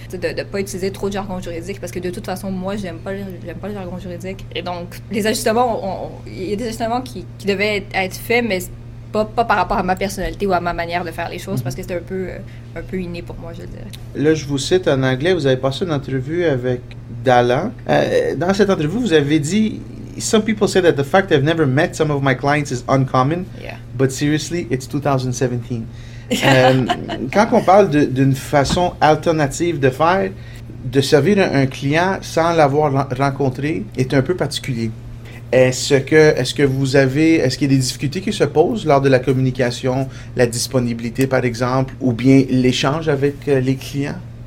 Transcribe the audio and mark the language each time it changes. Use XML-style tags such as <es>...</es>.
<fr>C'est de pas utiliser trop de jargon juridique parce que de toute façon, moi, j'aime pas le jargon juridique. Et donc, les ajustements, il y a des ajustements qui devaient être faits, mais pas par rapport à ma personnalité ou à ma manière de faire les choses parce que c'était un peu inné pour moi, je dirais. Là, je vous cite en anglais, vous avez passé une entrevue avec Dallan. Dans cette entrevue, vous avez dit:</fr> <en>Some people say that the fact I've never met some of my clients is uncommon, but seriously, it's 2017.</en> <fr>quand on parle d'une façon alternative de faire, de servir un client sans l'avoir rencontré est un peu particulier. Est-ce qu'il y a des difficultés qui se posent lors de la communication, la disponibilité par exemple, ou bien l'échange avec les clients?</fr>